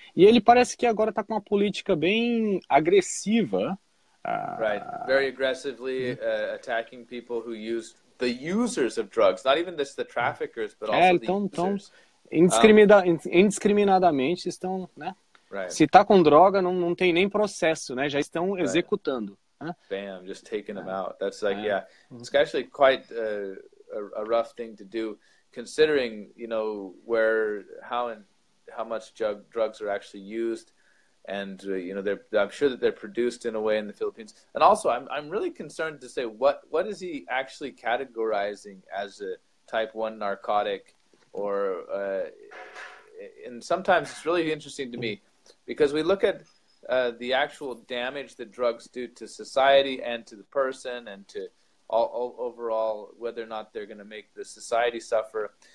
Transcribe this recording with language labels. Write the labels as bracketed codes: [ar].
[pt] E ele parece que agora está com uma política bem agressiva. [en] Right. Very aggressively attacking people who use the users of drugs. Not even just the traffickers, but also the users. [pt] Indiscriminadamente estão, né? [en] Right. [pt] Se está com droga, não tem nem processo, né? Já estão executando. [en] Bam, just taking them out. That's like, it's actually quite a rough thing to do, considering, you know, where, how much drugs are actually used, and, you know, I'm sure that they're produced in a way in the Philippines. And also, I'm really concerned to say, what is he actually categorizing as a type 1 narcotic, or, and sometimes it's really interesting to me, because we look at the actual damage that drugs do to society and to the person and to all overall, whether or not they're going to make the society suffer.